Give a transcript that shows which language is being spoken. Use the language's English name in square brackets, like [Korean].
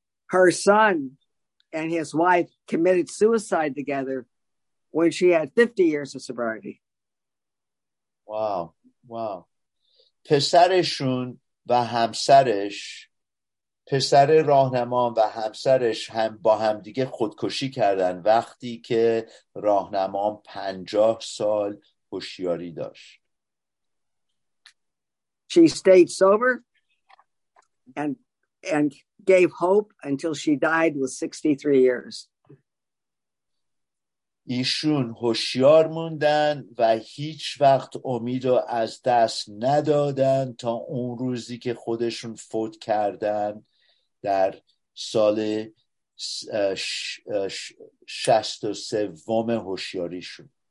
[English] Her son and his wife committed suicide together when she had 50 years of sobriety. Wow. [Persian] پسرشون و همسرش، پسر راهنمان و همسرش هم با هم دیگه خودکشی کردن وقتی که راهنمان 50 سال هوشیاری داشت. [English] She stayed sober and gave hope until she died with 63 years. [Persian] ایشون هوشیار موندن و هیچ وقت امیدو از دست ندادن تا اون روزی که خودشون فوت کردن در سال 63 هوشیاریشون.